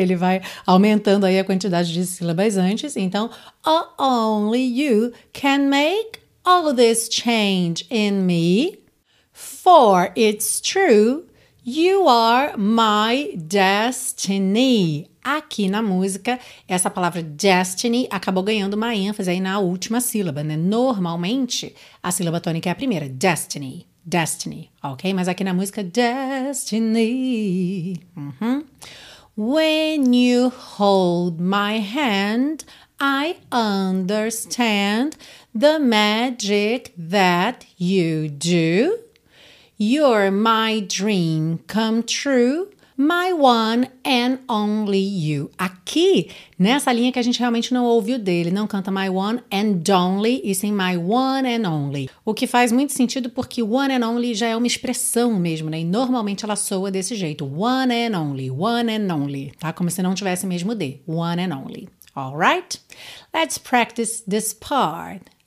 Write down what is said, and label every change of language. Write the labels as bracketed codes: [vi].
[pt] Ele vai aumentando aí a quantidade de sílabas antes. Então, [en] only you can make all this change in me, for it's true, you are my destiny. [pt] Aqui na música, essa palavra destiny acabou ganhando uma ênfase aí na última sílaba, né? Normalmente, a sílaba tônica é a primeira, destiny, destiny, ok? Mas aqui na música, destiny. Uhum. [en] When you hold my hand, I understand the magic that you do. You're my dream come true, my one and only you. [pt] Aqui, nessa linha que a gente realmente não ouve o dele, não canta [en] my one and only, [pt] e sim my one and only. O que faz muito sentido porque one and only já é uma expressão mesmo, né? E normalmente ela soa desse jeito, [en] one and only, [pt] tá? Como se não tivesse mesmo D, [en] one and only. All right, let's practice this part.